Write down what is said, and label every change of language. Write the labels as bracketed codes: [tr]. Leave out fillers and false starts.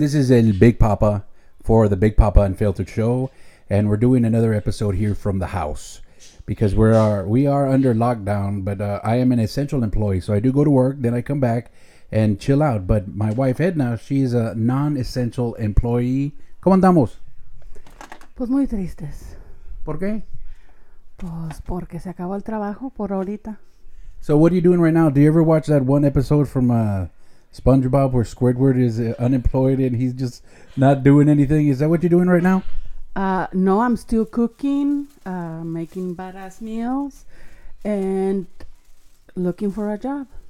[en] This is El Big Papa for the Big Papa Unfiltered Show, and we're doing another episode here from the house because we are under lockdown, but I am an essential employee, so I do go to work, then I come back and chill out. But my wife Edna, she's a non-essential employee. [es] ¿Cómo andamos? Pues muy tristes. ¿Por qué? Pues porque se acabó el trabajo por ahorita. [en] So what are you doing right now? Do you ever watch that one episode from SpongeBob where Squidward is unemployed and he's just not doing anything? Is that what you're doing right now? No, I'm still cooking, making badass meals, and looking for a job.